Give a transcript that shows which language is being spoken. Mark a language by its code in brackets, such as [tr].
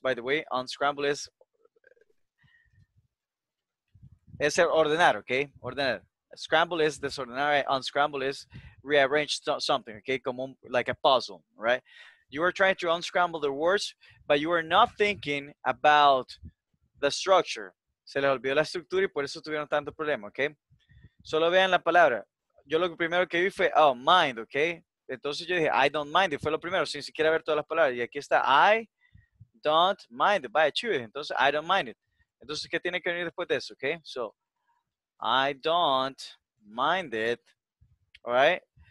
[en] By the way, unscramble is ordenar, okay? Ordenar. Scramble is desordenar. Unscramble is rearrange something, okay? Like a puzzle, right? You were trying to unscramble the words, but you were not thinking about the structure. [es] Se les olvidó la estructura y por eso tuvieron tanto problema, okay? Solo vean la palabra. Yo lo primero que vi fue, oh, mind, okay? Entonces yo dije, [en] I don't mind. [es] Y fue lo primero, sin siquiera ver todas las palabras. Y aquí está, [en] I don't mind. [es] Vaya, chido. Entonces, [en] I don't mind it. [es] Entonces, ¿qué tiene que venir después de eso, okay? [en] So, I don't mind it, all right?